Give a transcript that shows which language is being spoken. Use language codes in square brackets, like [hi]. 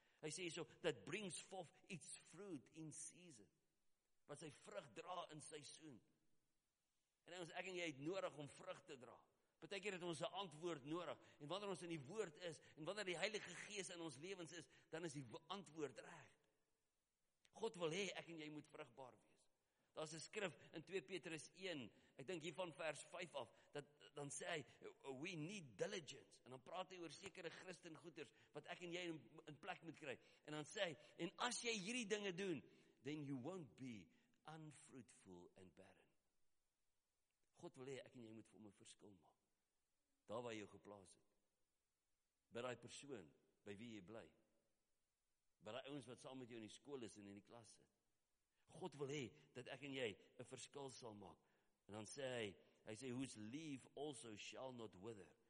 [af] Hy sê so, [en] that brings forth its fruit in season. [af] Wat sy vrug dra in seisoen. En ons, ek en jy het nodig om vrug te dra. Partykeer het ons 'n antwoord nodig. En wanneer ons in die woord is, en wanneer die Heilige Gees in ons lewens is, dan is die antwoord reg. God wil hê ek en jy moet vrugbaar wees. Daar is 'n skrif in 2 Petrus 1, ek dink hiervan vers 5 af, dat dan sê hy, [en] we need diligence. [af] En dan praat hy oor sekere Christen goeders, wat ek en jy in plek moet kry. En dan sê hy, en as jy hierdie dinge doen, [en] then you won't be unfruitful and barren. [af] God wil hê, ek en jy moet vir hom 'n verskil maak. Daar waar jy geplaas het. By daai persoon, by wie jy bly. By daai ouens wat saam met jou in die skool is en in die klas sit. God wil hê, dat ek en jy 'n verskil sal maak. En dan sê hy, [en] whose leaf also shall not wither.